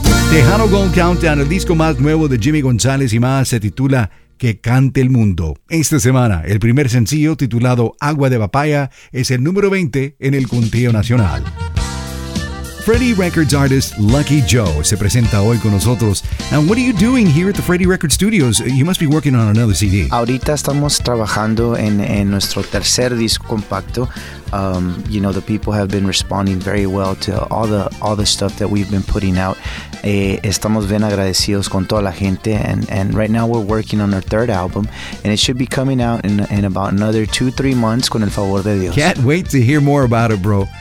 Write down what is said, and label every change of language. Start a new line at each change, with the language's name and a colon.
Spanish: Tejano Gold Countdown, el disco más nuevo de Jimmy González y más, se titula Que Cante el Mundo. Esta semana, el primer sencillo titulado Agua de Papaya es el número 20 en el conteo nacional. Freddie Records artist Lucky Joe se presenta hoy con nosotros.
English: Now, what are you doing here at the Freddie Records Studios? You must be working on another CD.
Spanish: Ahorita estamos trabajando en nuestro tercer disco compacto.
English: You know, the people have been responding very well to all the stuff that we've been putting out.
Spanish: Estamos bien agradecidos con toda la gente.
English: And right now we're working on our third album. And it should be coming out in about another 2-3 months,
Spanish: con el favor de Dios.
English: Can't wait to hear more about it, bro.